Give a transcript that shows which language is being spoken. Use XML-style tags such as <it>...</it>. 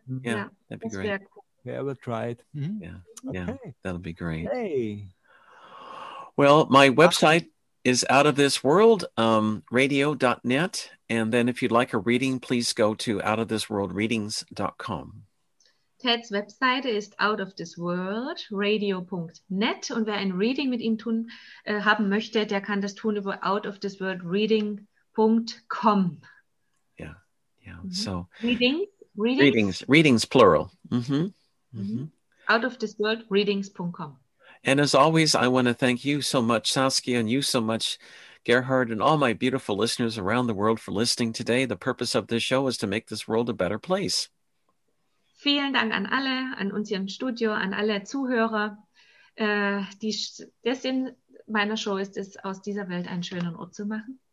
<en>Yeah, that'd be great. Yeah, we'll try it. Mm-hmm. Yeah, okay. Yeah, that'll be great. Hey. Well, my website is out of this world, radio.net. And then if you'd like a reading, please go to outofthisworldreadings.com.</en> <de>Ted's Webseite ist outofthisworldradio.net und wer ein Reading mit ihm tun haben möchte, der kann das tun über outofthisworldreading.com.</de> <en>So readings plural. Out of this world readings.com. And as always, I want to thank you so much, Saskia, and you so much, Gerhard, and all my beautiful listeners around the world for listening today. The purpose of this show is to make this world a better place.</en> <de>Vielen Dank an alle, an uns hier im Studio, an alle Zuhörer. Der Sinn meiner Show ist es, aus dieser Welt einen schönen Ort zu machen.</de>